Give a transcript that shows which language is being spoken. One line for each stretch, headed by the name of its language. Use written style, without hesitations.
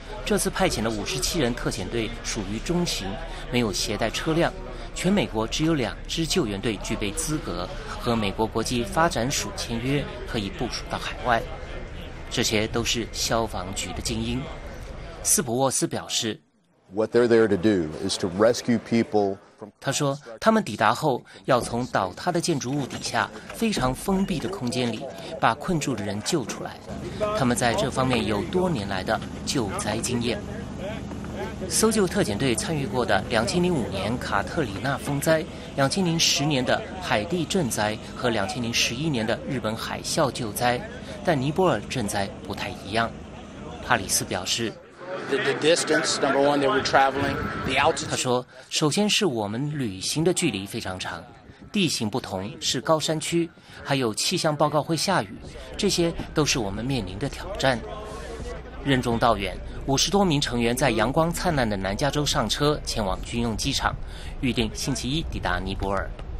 Chinese: 这次派遣的57人特遣队属于中型，没有携带车辆。全美国只有2支救援队具备资格和美国国际发展署签约，可以部署到海外。这些都是消防局的精英。斯普沃斯表示
English: What they're there to do is to rescue people from...
Chinese: 他说他们抵达后要从倒塌的建筑物底下非常封闭的空间里把困住的人救出来。他们在这方面有多年来的救灾经验。搜救特遣队参与过的2005年卡特里娜风灾、2010年的海地震灾和2011年的日本海啸救灾，但尼泊尔震灾不太一样。哈里斯表示
English: the distance, number one, they were traveling, the altitude.
Chinese: 他说首先是我们旅行的距离非常长，第地形不同，是高山区，还有气象报告会下雨，这些都是我们面临的挑战。任重道远，50多名成员在阳光灿烂的南加州上车，前往军用机场，预定星期一抵达尼泊尔。